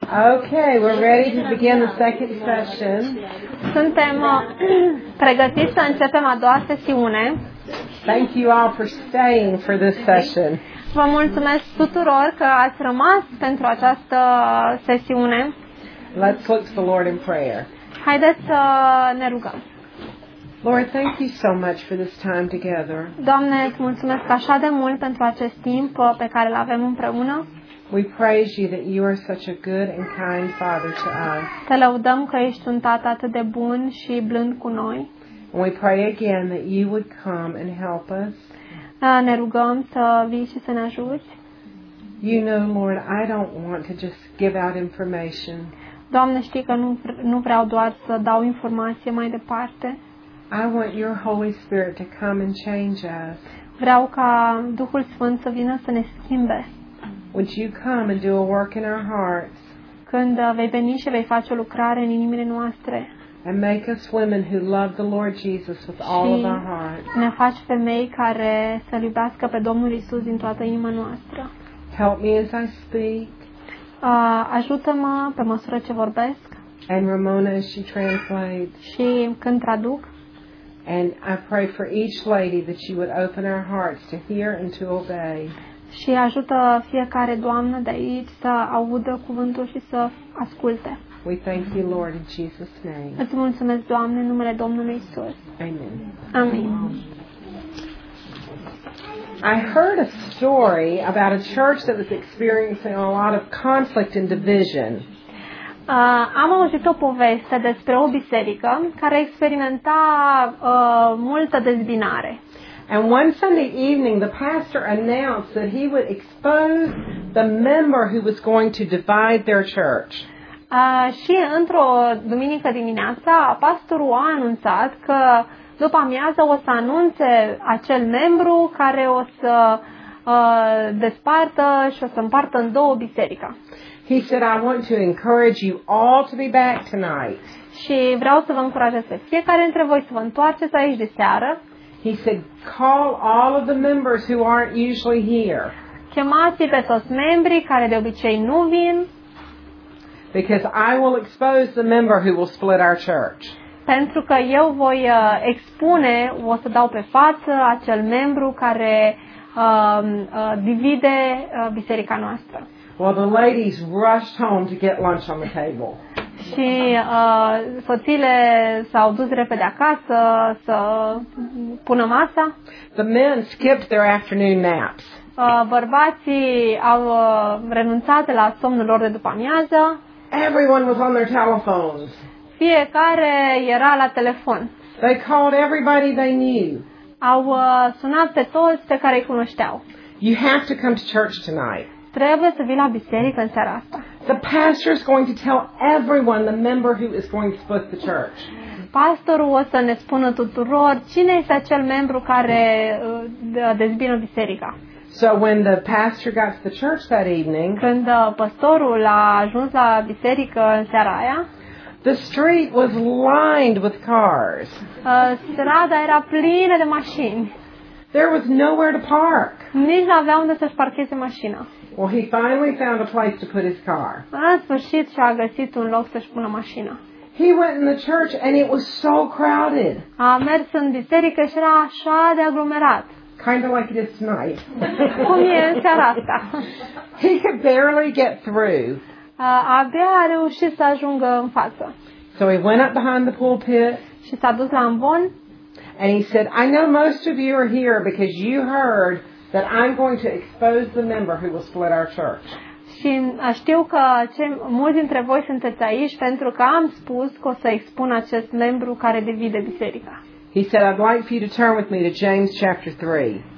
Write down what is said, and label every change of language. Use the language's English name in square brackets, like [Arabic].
[English] Okay, we're ready to begin the second session. [Romanian] Suntem pregătiți să începem a doua sesiune. [English] Thank you all for staying for this session. [Romanian] Vă mulțumesc tuturor că ați rămas pentru această sesiune. [English] Let's look to the Lord in prayer. [Romanian] Haideți să ne rugăm. [English] Lord, thank you so much for this time together. [Romanian] Doamne, îți mulțumesc așa de mult pentru acest timp pe care l-avem împreună. [English] We praise you that you are such a good and kind father to us. [Romanian] Te laudăm că ești un tată atât de bun și blând cu noi. [English] And we pray again that you would come and help us. [Romanian] Ne rugăm să vii și să ne ajuți. [English] You know, Lord, I don't want to just give out information. [Romanian] Doamne, știi că nu vreau doar să dau informație mai departe. [English] I want your Holy Spirit to come and change us. [Romanian] Vreau ca Duhul Sfânt să vină să ne schimbe. [English] Would you come and do a work in our hearts? [Romanian] Când vei veni și vei face o lucrare în inimile noastre. [English] And make us women who love the Lord Jesus with all of our hearts. [Romanian] Ne faci femei care să iubească pe Domnul Isus din toată inima noastră. [English] Help me as I speak. [Romanian] Ajută-mă pe măsură ce vorbesc. [English] And Ramona as she translates. [Romanian] Și când traduc. [English] And I pray for each lady that you would open our hearts to hear and to obey. [Romanian] Și ajută fiecare doamnă de aici să audă cuvântul și să asculte. [English] We thank you, Lord, in Jesus' name. [Romanian] Îți mulțumesc, Doamne, în numele Domnului Isus. [English] Amen. Amen. I heard a story about a church that was experiencing a lot of conflict and division. [Romanian] Am auzit o poveste despre o biserică care experimenta multă dezbinare. [English] And one Sunday evening, the pastor announced that he would expose the member who was going to divide their church. [Romanian] Și într-o duminică dimineața, pastorul a anunțat că după amiază o să anunțe acel membru care o să despartă și o să împartă în două biserica. [English] He said, I want to encourage you all to be back tonight. [Romanian] Și vreau să vă încurajez pe fiecare dintre voi să vă întoarceți aici de seară. [English] He said, call all of the members who aren't usually here. [Romanian] Chemați pe toți membrii care de obicei nu vin. [English] Because I will expose the member who will split our church. [Romanian] Pentru că eu voi expune, o să dau pe față acel membru care divide biserica noastră. [English] Well, the ladies rushed home to get lunch on the table. [Romanian] Și soțiile s-au dus repede acasă să pună masa. [English] The men skipped their afternoon naps. [Romanian] Bărbații au renunțat la somnul lor de după amiază. [English] Everyone was on their telephones. [Romanian] Fiecare era la telefon. [English] They called everybody they knew. [Romanian] Au sunat pe toți pe care îi cunoșteau. [English] You have to come to church tonight. [Romanian] Trebuie să vii la biserică în seara asta. [English] The pastor is going to tell everyone the member who is going to split the church. [Romanian] Pastorul o să ne spună tuturor cine este acel membru care dezbină biserica. [English] So when the pastor got to the church that evening, [Romanian] când pastorul a ajuns la biserică în seara aia, [English] the street was lined with cars. [Romanian] Strada era plină de mașini. [English] There was nowhere to park. [Romanian] Nici nu avea unde să-și parcheze mașina. [English] Well, he finally found a place to put his car. [Romanian] În sfârșit și-a găsit un loc să-și pună mașina. [English] He went in the church and it was so crowded. [Romanian] A mers în biserică și era așa de aglomerat. [English] Kind of like it is tonight. [Romanian] Cum e în seara asta? [English] He could barely get through. [Romanian] Abia a reușit să ajungă în față. [English] So he went up behind the pulpit. [Romanian] Și s-a dus la ambon. [English] And he said, I know most of you are here because you heard that I'm going to expose the member who will split our church. [Romanian] Și știu că mulți dintre voi sunteți aici pentru că am spus că o să expun acest membru care divide biserica. [English] He said, I'd like for you to turn with me to James chapter 3.